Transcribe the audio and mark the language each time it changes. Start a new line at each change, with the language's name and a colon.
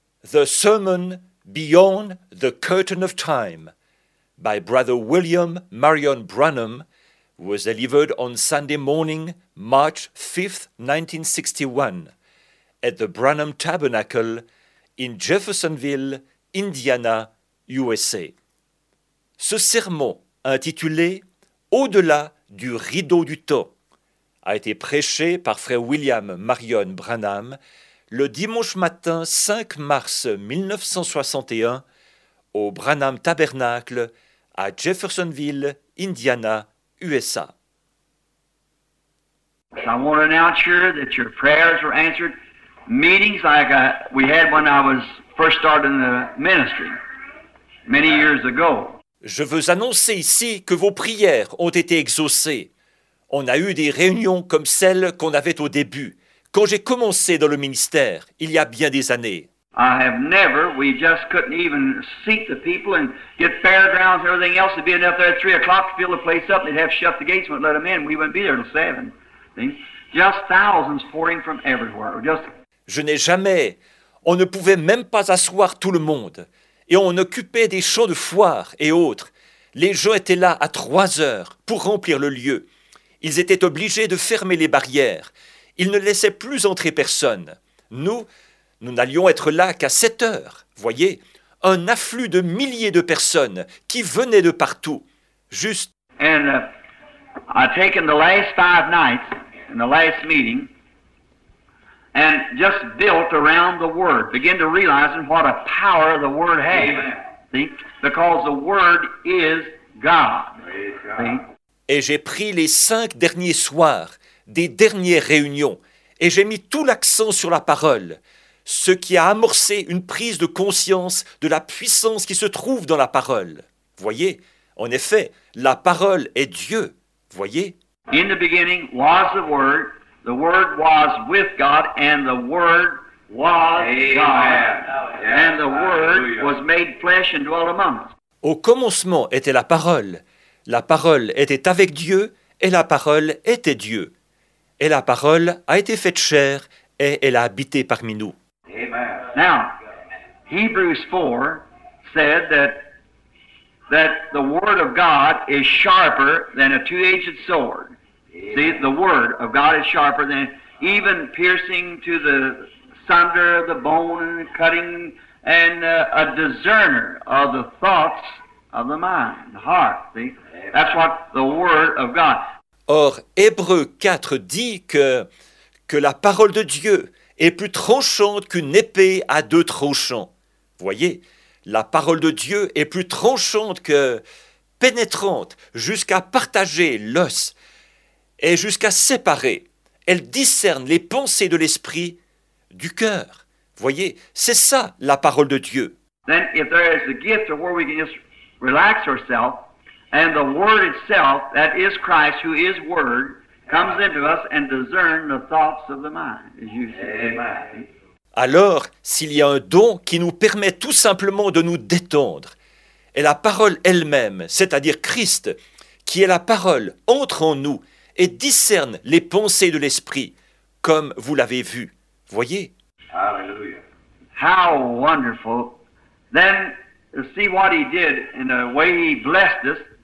English: The Sermon Beyond the Curtain of Time by Brother William Marion Branham was delivered on Sunday morning, March 5, 1961, at the Branham Tabernacle in Jeffersonville, Indiana, USA.
French: Ce sermon, intitulé « Au-delà du rideau du temps », a été prêché par Frère William Marion Branham le dimanche matin 5 mars 1961 au Branham Tabernacle à Jeffersonville, Indiana, USA.
English: I want to announce you that your prayers were answered. Meetings like we had when I was first starting the ministry many years ago.
French: Je veux annoncer ici que vos prières ont été exaucées. On a eu des réunions comme celles qu'on avait au début, quand j'ai commencé dans le ministère, il y a bien des années.
English: I have never, we just couldn't even seat the people and get fairgrounds and everything else to be enough there at 3 o'clock to fill the place up. They'd have to shut the gates and let them in. We wouldn't be there till 7. Just thousands pouring from everywhere.
French: Je n'ai jamais, on ne pouvait même pas asseoir tout le monde. Et on occupait des champs de foire et autres. Les gens étaient là à 3 heures pour remplir le lieu. Ils étaient obligés de fermer les barrières. Ils ne laissaient plus entrer personne. Nous n'allions être là qu'à 7 heures. Voyez, un afflux de milliers de personnes qui venaient de partout. Juste.
English: And I've taken the last 5 nights in the last meeting and just built around the Word, begin to realize what a power the Word has. Amen. See? Because the Word is God. See?
French: Et j'ai pris les 5 derniers soirs des dernières réunions et j'ai mis tout l'accent sur la parole, ce qui a amorcé une prise de conscience de la puissance qui se trouve dans la parole. Voyez, en effet, la parole est Dieu. Voyez.
English: In the beginning was the Word was with God, and the Word was Amen. God. And the Word was made flesh and dwelt among us.
French: Au commencement était la parole. La parole était avec Dieu, et la parole était Dieu. Et la parole a été faite chair, et elle a habité parmi nous.
English: Amen. Now, Hebrews 4 said that the Word of God is sharper than a two-edged sword. Amen. See, the Word of God is sharper than even piercing to the sunder of the bone and cutting and a discerner of the thoughts of the mind, the heart. See? That's what the Word of God.
French: Or, Hébreux 4 dit que la parole de Dieu est plus tranchante qu'une épée à 2 tranchants. Voyez, la parole de Dieu est plus tranchante que pénétrante jusqu'à partager l'os et jusqu'à séparer. Elle discerne les pensées de l'esprit du cœur. Voyez, c'est ça la parole de Dieu.
English: Then if there is a gift of where we can just relax ourselves, and the Word itself, that is Christ, who is Word, comes into us and discerns the thoughts of the mind.
French: Alors, s'il y a un don qui nous permet tout simplement de nous détendre, et la parole elle-même, c'est-à-dire Christ, qui est la parole, entre en nous et discerne les pensées de l'Esprit, comme vous l'avez vu. Voyez.
English: Hallelujah. How wonderful. Then, see what he did in the way he blessed us.